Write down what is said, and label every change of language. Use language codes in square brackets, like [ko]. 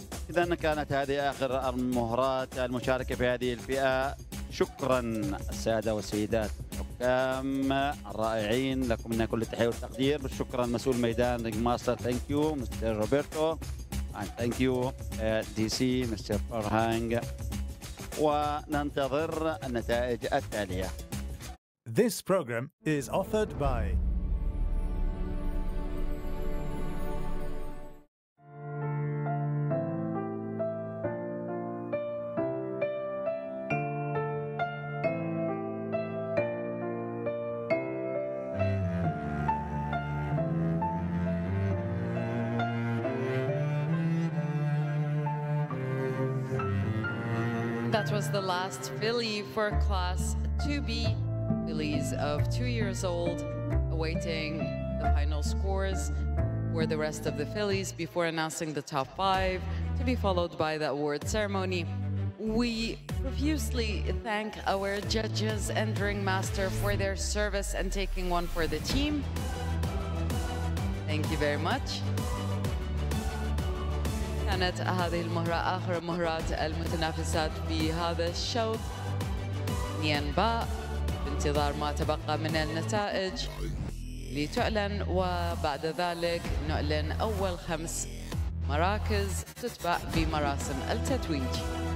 [ar] إذن كانت هذه آخر المهرات المشاركة في هذه الفئة شكراً السادة والسيدات حكام الرائعين لكم من كل التحية والتقدير شكراً مسؤول ميدان رينج ماستر [en] thank you [ar] مستر روبرتو [en] and thank you [ar] دي سي مستر فرهانج وننتظر النتائج التالية [en] This program is offered by that was the last filly for class 2B. Fillies of 2 years old awaiting the final scores were the rest of the fillies before announcing the top five to be followed by the award ceremony. We profusely thank our judges and ringmaster for their service and taking one for the team. Thank you very much. [ar] كانت هذه المهرة آخر المهرات المتنافسات في هذا الشو. نيان با بانتظار ما تبقى من النتائج لتعلن وبعد ذلك نعلن أول خمس مراكز تتبع بمراسم التتويج.